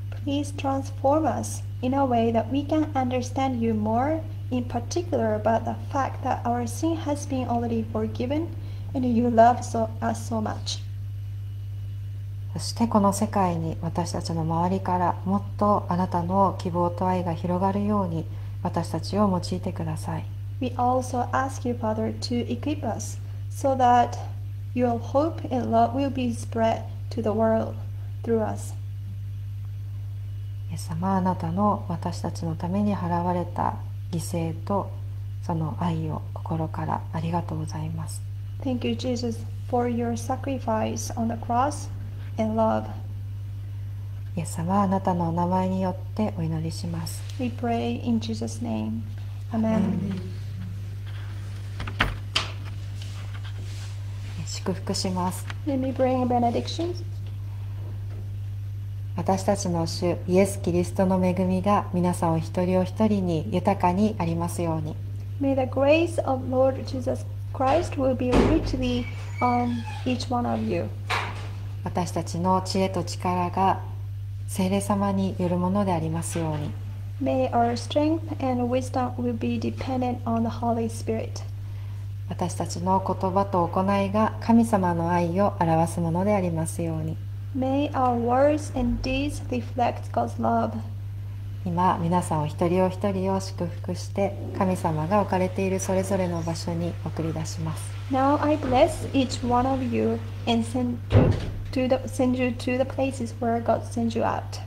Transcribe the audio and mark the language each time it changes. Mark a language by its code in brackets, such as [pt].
[en] Please transform us in a way that we can understand you more, in particular about the fact that our sin has been already forgiven and you love us so much。 [ja] そしてこの世界に私たちの周りからもっとあなたの希望と愛が広がるように私たちを用いてください。 [en] We also ask you, Father, to equip us so that your hope and love will be spread to the world through us. [ja] イエス様、あなたの私たちのために払われた犠牲とその愛を心からありがとうございます。 [en] Thank you, Jesus, for your sacrifice on the cross and love. [ja] イエス様、あなたのお名前によってお祈りします。 [en] We pray in Jesus' name. Amen. Amen. [ja] 祝福します。 [en] Let me bring benedictions. [ja] 私たちの主イエス・キリストの恵みが皆さんお一人お一人に豊かにありますように。 [en] May the grace of Lord Jesus Christ will be richly on each one of you. [ja] 私たちの知恵と力が聖霊様によるものでありますように。 [en] May our strength and wisdom will be dependent on the Holy Spirit. [ja] 私たちの言葉と行いが神様の愛を表すものでありますように。 [en] May our words and deeds reflect God's love. [ja] 今皆さんお一人お一人を祝福して、神様が置かれているそれぞれの場所に送り出します。 [en] Now I bless each one of you and send you to the places where God sends you out.